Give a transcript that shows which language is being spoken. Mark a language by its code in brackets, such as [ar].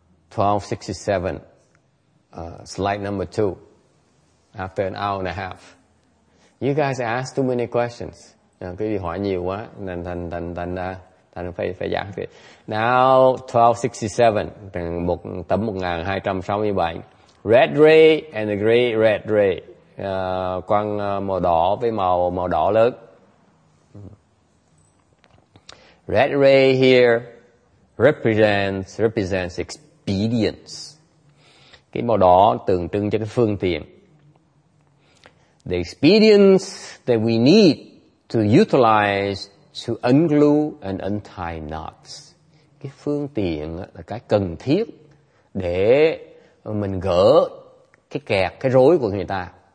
[en] 1267, slide number 2, after an hour and a half. You guys ask too many questions. [vi] Quý vị hỏi nhiều quá, nên thành phải giảng thiệt. [en] Now, 1267, tấm 1267. Red ray and the gray red ray. [vi] Quang màu đỏ với màu đỏ lớn. [en] Red ray here represents expedience. [vi] Cái màu đỏ tượng trưng cho cái phương tiện. [en] The expedience that we need to utilize to unglue and untie knots. [vi] Cái phương tiện là cái cần thiết để mình gỡ cái kẹt, cái rối của người ta.